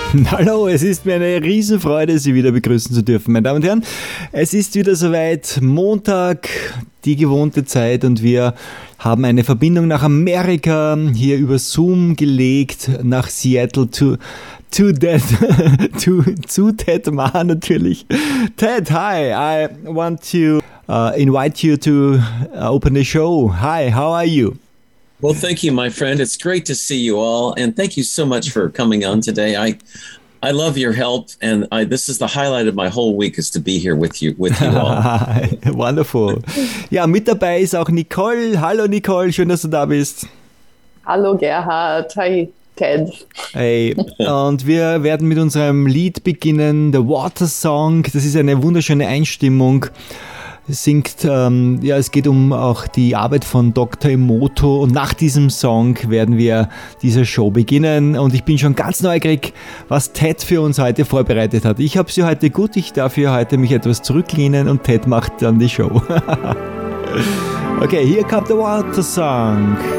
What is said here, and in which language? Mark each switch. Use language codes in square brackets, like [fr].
[de] Hallo, es ist mir eine Riesenfreude, Sie wieder begrüßen zu dürfen, meine Damen und Herren. Es ist wieder soweit, Montag, die gewohnte Zeit, und wir haben eine Verbindung nach Amerika hier über Zoom gelegt, nach Seattle zu Ted Ma natürlich. [en] Ted, hi, I want to invite you to open the show. Hi, how are you? Well, thank you, my friend. It's great to see you all. And thank you so much for coming on today. I love your help. And this is the highlight of my whole week, is to be here with you all. Wonderful. [de] Ja, mit dabei ist auch Nicole. Hallo, Nicole. Schön, dass du da bist. Hallo, Gerhard. [en] Hi, Ted. [de] Hey. Und wir werden mit unserem Lied beginnen, The Water Song. Das ist eine wunderschöne Einstimmung. Singt, ja, es geht um auch die Arbeit von Dr. Emoto, und nach diesem Song werden wir diese Show beginnen, und ich bin schon ganz neugierig, was Ted für uns heute vorbereitet hat. Ich habe sie heute gut, ich darf hier heute mich etwas zurücklehnen und Ted macht dann die Show. [en] Okay, here comes the water song.